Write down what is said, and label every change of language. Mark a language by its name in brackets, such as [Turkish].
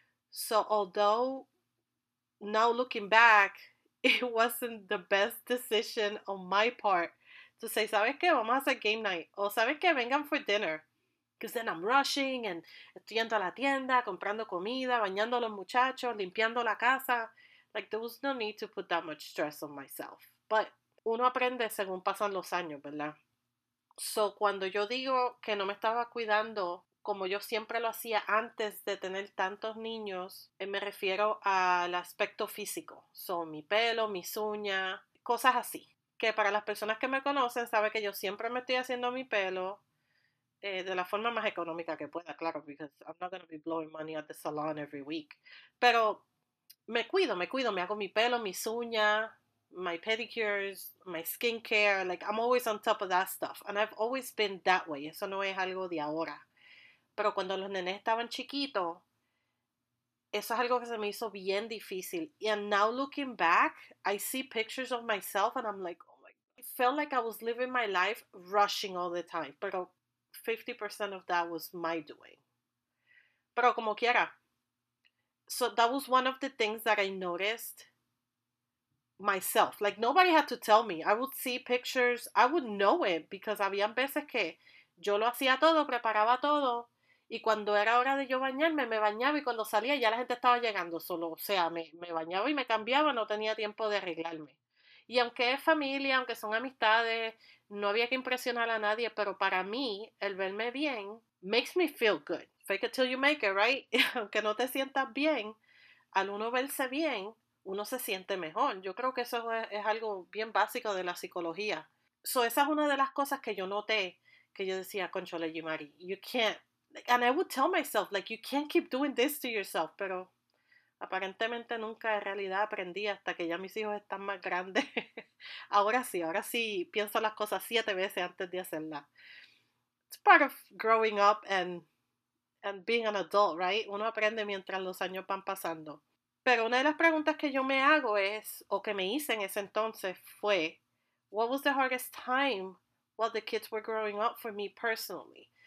[English] So although now looking back, it wasn't the best decision on my part to say, [Spanish] ¿sabes qué? Vamos a hacer [English] game night. [Spanish] O ¿sabes qué? Vengan [English] for dinner. Because then I'm rushing and [Spanish] estoy yendo a la tienda, comprando comida, bañando a los muchachos, limpiando la casa. [English] Like, there was no need to put that much stress on myself. But [Spanish] uno aprende según pasan los años, ¿verdad? So, cuando yo digo que no me estaba cuidando como yo siempre lo hacía antes de tener tantos niños, me refiero al aspecto físico. So, mi pelo, mis uñas, cosas así. Que para las personas que me conocen, sabe que yo siempre me estoy haciendo mi pelo de la forma más económica que pueda, claro, [English] because I'm not going to be blowing money at the salon every week. [Spanish] Pero me cuido, me hago mi pelo, mis uñas, [English] my pedicures, my skincare, like I'm always on top of that stuff. And I've always been that way. [Spanish] Eso no es algo de ahora. Pero cuando los nenes estaban chiquitos, eso es algo que se me hizo bien difícil. [English] And now looking back, I see pictures of myself and I'm like, oh my God. It felt like I was living my life rushing all the time. Pero 50% of that was my doing. [Spanish] Pero como quiera. [English] So that was one of the things that I noticed myself. Like, nobody had to tell me. I would see pictures. I would know it because [Spanish] había veces que yo lo hacía todo, preparaba todo. Y cuando era hora de yo bañarme, me bañaba y cuando salía ya la gente estaba llegando solo. O sea, me bañaba y me cambiaba, no tenía tiempo de arreglarme. Y aunque es familia, aunque son amistades, no había que impresionar a nadie, pero para mí, el verme bien, [English] makes me feel good. Fake it till you make it, right? [Spanish] Aunque no te sientas bien, al uno verse bien, uno se siente mejor. Yo creo que eso es algo bien básico de la psicología. So esa es una de las cosas que yo noté, que yo decía, conchole, Yimari, [English] you can't. And I would tell myself, like, you can't keep doing this to yourself. [Spanish] Pero aparentemente nunca en realidad aprendí hasta que ya mis hijos están más grandes. ahora sí pienso las cosas 7 veces antes de hacerlas. [English] It's part of growing up and being an adult, right? [Spanish] Uno aprende mientras los años van pasando. Pero una de las preguntas que yo me hago es, o que me hice en ese entonces, fue, [English] what was the hardest time while the kids were growing up for me personally?